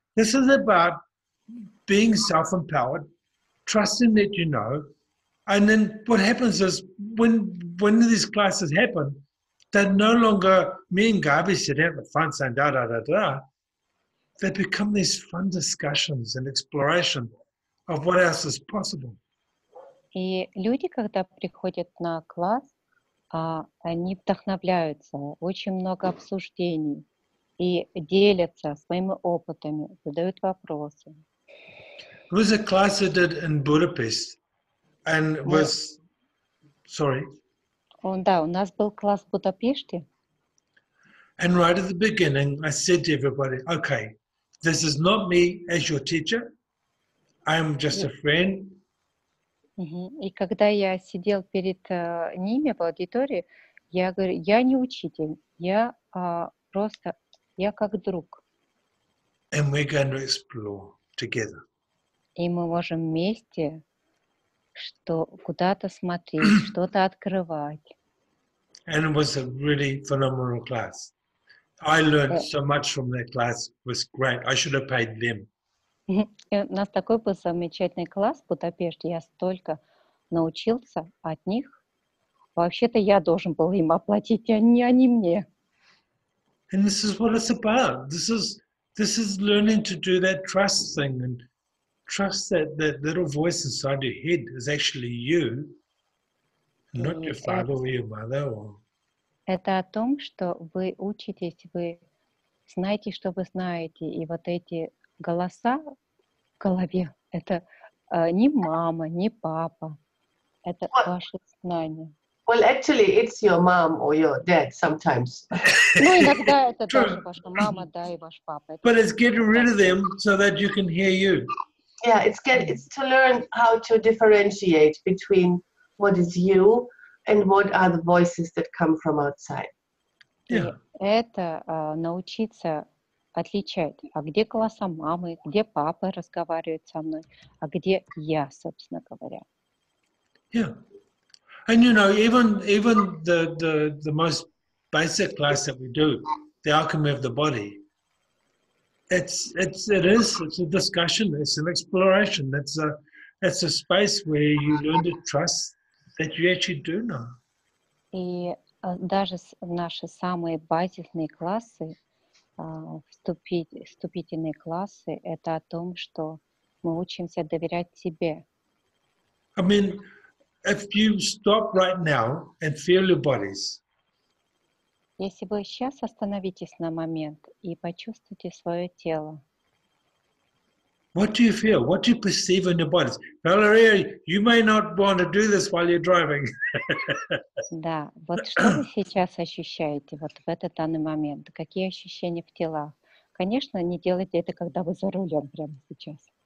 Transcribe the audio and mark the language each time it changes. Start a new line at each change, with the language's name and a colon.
English: This is about being self-empowered, trusting that you know. And then what happens is when these classes happen, they're no longer me and Gabi sit out in the fun saying da-da-da-da. They become these fun discussions and exploration of what else is possible.
Russian: И люди, когда приходят на класс, они вдохновляются, очень много обсуждений и делятся своими опытами, задают вопросы.
English: It was a class I did in Budapest, and was... Sorry.
Russian: Да, у нас был класс в Будапеште.
English: And right at the beginning, I said to everybody, okay, this is not me as your teacher, I'm just a friend.
Russian: И когда я сидел перед ними в аудитории, я говорю, я не учитель, я просто, я как друг.
English: And we're going to explore together.
Russian: И мы можем вместе что куда-то смотреть, что-то открывать.
English: And it was a really phenomenal class. I learned so much from that class. It was great. I should have paid them.
Russian: У нас такой был замечательный класс в Будапеште, я столько научился от них. Вообще-то я должен был им оплатить, а не они мне.
English: And this is what it's about. This is learning to do that trust thing and trust that little voice inside your head is actually you, not your father or your mother.
Russian: Это о том, что вы учитесь, вы знаете, что вы знаете, и вот эти голоса в голове — это не мама, не папа, это ваши знания.
English: Well, actually, it's your mom or your dad sometimes.
Russian: Ну, иногда это тоже ваша мама, да, и ваш папа.
English: But it's getting rid of them so that you can hear you. Yeah, it's to learn how to differentiate between what is you and what are the voices that come from outside. Yeah.
Russian: Это научиться отличает, а где голоса мамы, где папы разговаривают со мной, а где я, собственно говоря.
English: Yeah. And you know, even the most basic class that we do, the alchemy of the body, it's a discussion, it's an exploration, it's a space where you learn to trust that you actually do know.
Russian: И даже наши самые базисные классы, вступительные классы, это о том, что мы учимся доверять себе.
English: I mean, if you stop right now and feel your bodies.
Russian: Если вы сейчас остановитесь на момент и почувствуете свое тело.
English: What do you feel? What do you perceive in your bodies? Valeria, you may not want to do this while you're driving.
Russian: Да, вот что вы сейчас ощущаете вот в этот данный момент? Какие ощущения в телах? Конечно, не делайте это, когда вы за рулем прямо сейчас.